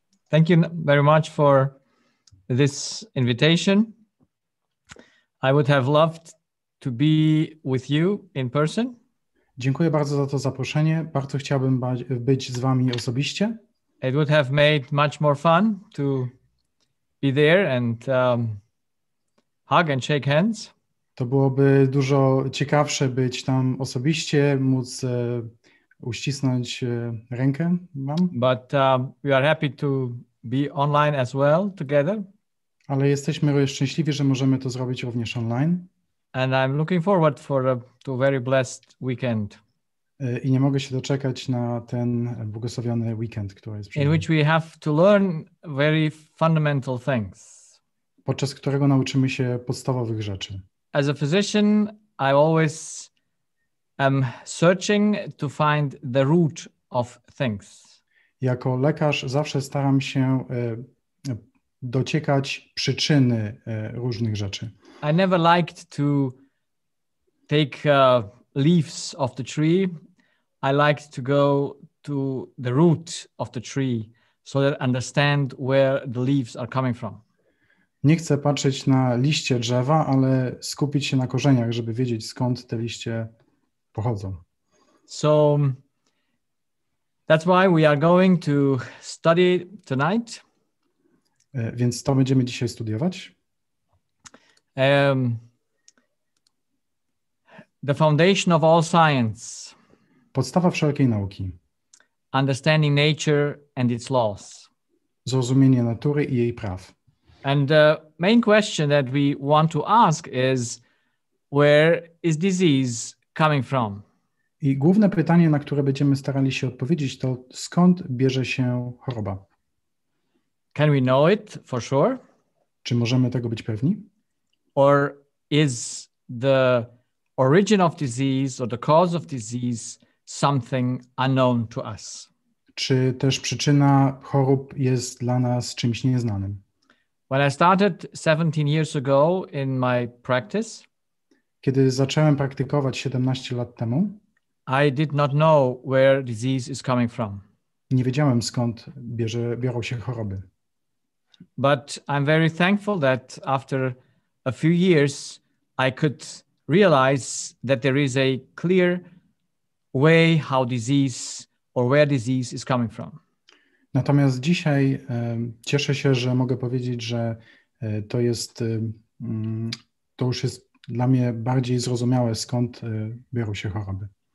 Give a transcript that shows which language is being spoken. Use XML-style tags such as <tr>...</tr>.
<en>Thank you very much for this invitation. I would have loved to be with you in person.</en> <pl>Dziękuję bardzo za to zaproszenie. Bardzo chciałbym być z wami osobiście.</pl> <en>It would have made much more fun to be there and hug and shake hands.</en> <pl>To byłoby dużo ciekawsze być tam osobiście, móc uścisnąć rękę wam.</pl> <en>But we are happy to be online as well together.</en> <pl>Ale jesteśmy szczęśliwi, że możemy to zrobić również online.</pl> <en>And I'm looking forward to a very blessed weekend.</en> <pl>I nie mogę się doczekać na ten błogosławiony weekend, który jest przed nami.</pl> <en>In which we have to learn very fundamental things.</en> <pl>Podczas którego nauczymy się podstawowych rzeczy.</pl> <en>As a physician, I always am searching to find the root of things.</en> <pl>Jako lekarz zawsze staram się dociekać przyczyny różnych rzeczy.</pl> <en>I never liked to take leaves off the tree. I liked to go to the root of the tree so that I understand where the leaves are coming from.</en> <pl>Nie chcę patrzeć na liście drzewa, ale skupić się na korzeniach, żeby wiedzieć, skąd te liście pochodzą.</pl> <en>So that's why we are going to study tonight.</en> <pl>Więc to będziemy dzisiaj studiować.</pl> <en>The foundation of all science.</en> <pl>Podstawa wszelkiej nauki.</pl> <en>Understanding nature and its laws.</en> <pl>Zrozumienie natury i jej praw.</pl> <en>And the main question that we want to ask is, where is disease coming from?</en> <pl>I główne pytanie, na które będziemy starali się odpowiedzieć, to skąd bierze się choroba?</pl> <en>Can we know it for sure?</en> <pl>Czy możemy tego być pewni?</pl> <en>Or is the origin of disease or the cause of disease something unknown to us?</en> <pl>czy też przyczyna chorób jest dla nas czymś nieznanym.</pl> <en>When I started 17 years ago in my practice,</en> <pl>kiedy zacząłem praktykować 17 lat temu,</pl> <en>I did not know where disease is coming from.</en> <pl>Nie wiedziałem, skąd biorą się choroby.</pl> <en>But I'm very thankful that after a few years I could realize that there is a clear way how disease or where disease is coming from.</en> <pl>Natomiast dzisiaj cieszę się, że mogę powiedzieć, że to jest to już jest dla mnie bardziej zrozumiałe, skąd biorą się choroby.</pl>